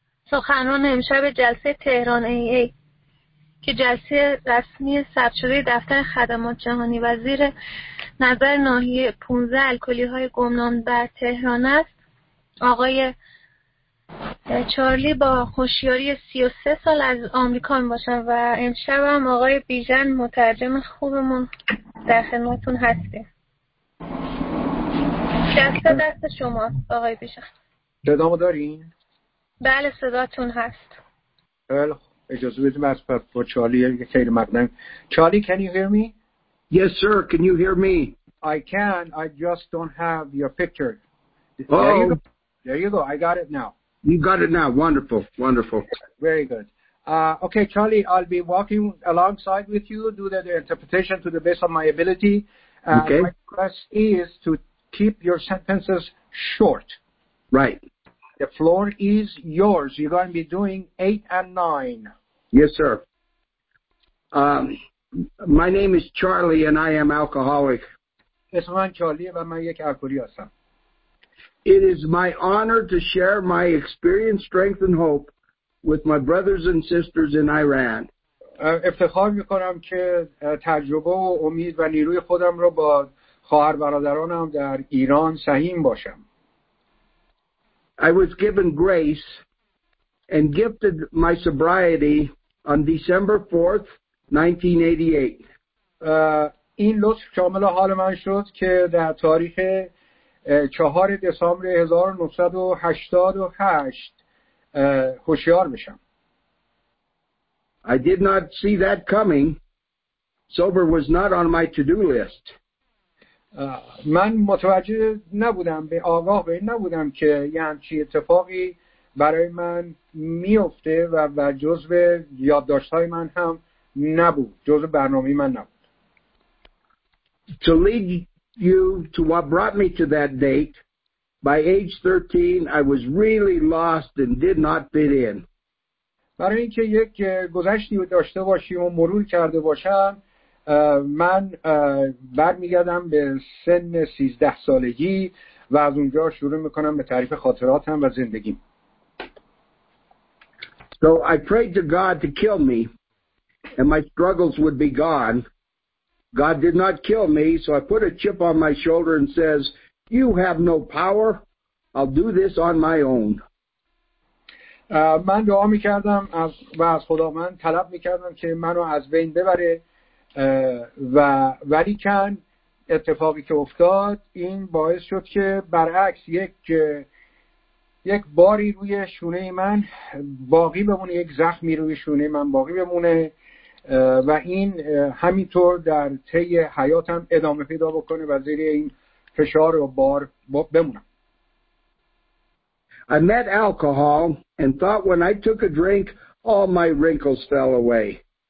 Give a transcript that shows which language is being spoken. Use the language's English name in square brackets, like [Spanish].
[Persian] سخنران امشب جلسه تهران ای که جلسه رسمی ثبت شده دفتر خدمات جهانی و زیر نظر ناحیه 15 الکلی های گمنام بر تهران است، آقای چارلی با هوشیاری 33 سال از آمریکا میباشن و امشب هم آقای بیژن مترجم خوبمون در خدمتون هستیم. دست شما آقای بیژن. صدامو دارین؟ بله صداتون هست. اجازه بدیم از با چارلی خیلی مقدم. [English] Charlie can you hear me? Yes sir, can you hear me? I can, I just don't have your picture. There you go, I got it now. You got it now, wonderful. Very good. Okay, Charlie, I'll be walking alongside with you, do the interpretation to the best of my ability. Okay. My request is to keep your sentences short. Right. The floor is yours. You're going to be doing 8 and 9. Yes, sir. My name is Charlie, and I am alcoholic. [Persian] اسم من چارلیه و من یک الکلی هستم. [English] It is my honor to share my experience, strength, and hope with my brothers and sisters in Iran. [Persian] افتخار میکنم که تجربه و امید و نیروی خودم رو با خواهر برادرانم در ایران سهیم باشم. [English] I was given grace and gifted my sobriety on December 4th, 1988. [Persian] این لطف شامل حال من شد که در تاریخ 4 دسامبر 1988 هوشیار بشم. [English] I did not see that coming. Sober was not on my to-do list. [Persian] من متوجه نبودم، به آگاه به این نبودم که یه همچی اتفاقی برای من میفته و جزء یادداشت‌های من هم نبود، جزء برنامه من نبود. [English] To lead you to what brought me to that date, by age 13 I was really lost and did not fit in. [Persian] برای اینکه یک گذشتی داشته باشیم و مرور کرده باشم، من برمیگردم به سن 13 سالگی و از اونجا شروع میکنم به تعریف خاطراتم و زندگیم. [English] So I prayed to God to kill me and my struggles would be gone. God did not kill me, so I put a chip on my shoulder and says, "You have no power. I'll do this on my own." [Persian] من دعا میکردم و از خداوند طلب میکردم که منو از بین ببره، و ولیکن اتفاقی که افتاد این باعث شد که برعکس یک باری روی شونه من باقی بمونه، یک زخمی روی شونه من باقی بمونه و این همینطور در طی حیاتم ادامه پیدا بکنه و زیر این فشار و بار بمونم. [English] I met alcohol and thought when I took a drink all my wrinkles fell away.